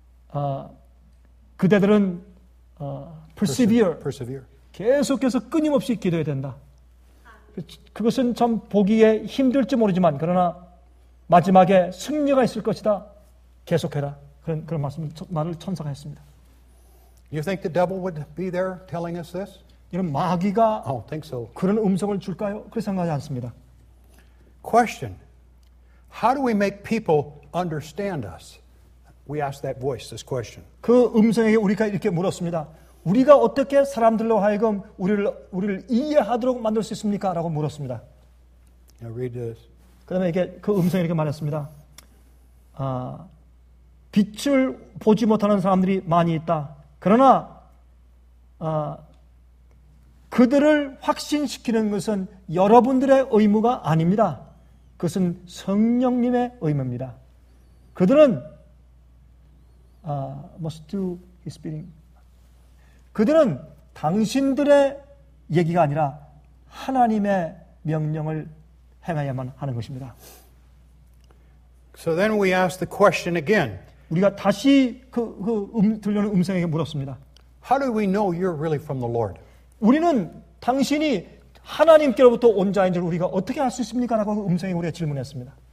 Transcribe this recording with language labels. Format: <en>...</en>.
<ko>아, 그대들은</ko> <en>persevere.</en> <ko>계속해서 끊임없이 기도해야 된다. 그것은 참 보기에 힘들지 모르지만 그러나 마지막에 승리가 있을 것이다. 계속해라. 그런 말을 천사가 했습니다.</ko> <en>You think the devil would be there telling us this?</en> <ko>이런 마귀가</ko> <en>oh, think so.</en> <ko>그런 음성을 줄까요? 그렇게 생각하지 않습니다.</ko> <en>Question. How do we make people understand us? We ask that voice this question.</en> <ko>그 음성에게 우리가 이렇게 물었습니다. 우리가 어떻게 사람들로 하여금 우리를 이해하도록 만들 수 있습니까? 라고 물었습니다.</ko> <en>Now read this.</en> <ko>그 다음에 이게 그 음성이 이렇게 말했습니다. 아, 빛을 보지 못하는 사람들이 많이 있다. 그러나 그들을 확신시키는 것은 여러분들의 의무가 아닙니다. 그것은 성령님의 의무입니다. 그들은</ko> <en>must do his bidding.</en> <ko>그들은 당신들의 얘기가 아니라 하나님의 명령을 행해야만 하는 것입니다.</ko> <en>So then we ask the question again.</en> <ko>우리가 다시 들려오는 음성에게 물었습니다.</ko> <en>How do we know you're really from the Lord?</en> <ko>우리는 당신이 하나님께로부터 온 자인 줄 우리가 어떻게 알 수 있습니까? 라고 그 음성에 우리가 질문했습니다.</ko>